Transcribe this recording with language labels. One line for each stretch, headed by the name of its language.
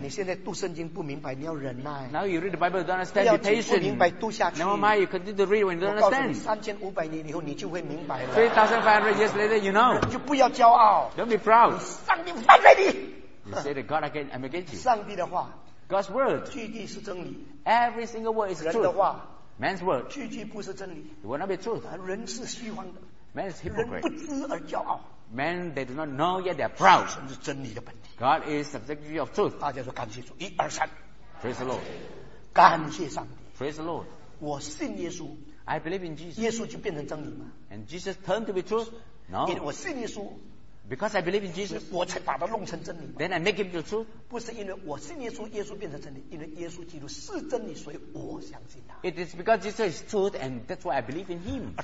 Chinese: 你现在读圣经不明白, 你要忍耐,
English: now you read the Bible, you don't understand, be patient.
Chinese: 不明白,
English: never mind, you continue to read when you don't understand.
Chinese: 3,500年以后, 你就会明白了,
English: 3,500 years later, you know.
Chinese: 就不要骄傲,
English: don't be proud.
Chinese: 上帝反对你,
English: you say that God again, I'm against you.
Chinese: 上帝的话,
English: God's word,
Chinese: 句句是真理,
English: every single word is
Chinese: 人的话,
English: truth. Man's word,
Chinese: 句句不是真理,
English: it will not be truth.
Chinese: 人是虚妄的,
English: man is hypocrite.
Chinese: 人不知而骄傲,
English: man, they do not know yet they are proud.
Chinese: 神是真理的本体,
English: God is subjective of truth.
Chinese: 大家说感谢主, 一二三,
English: praise the Lord.
Chinese: 感谢上帝,
English: praise the Lord.
Chinese: 我信耶稣,
English: I believe in Jesus.
Chinese: 耶稣就变成真理吗?
English: And Jesus turned to be truth? No.
Chinese: 我信耶稣,
English: because I believe in Jesus,
Chinese: 我才把它弄成真理,
English: then I make him the truth.
Chinese: 不是因为我信耶稣, 耶稣变成真理, 因为耶稣基督是真理, 所以我相信他,
English: it is because Jesus is truth, and that's why I believe in him.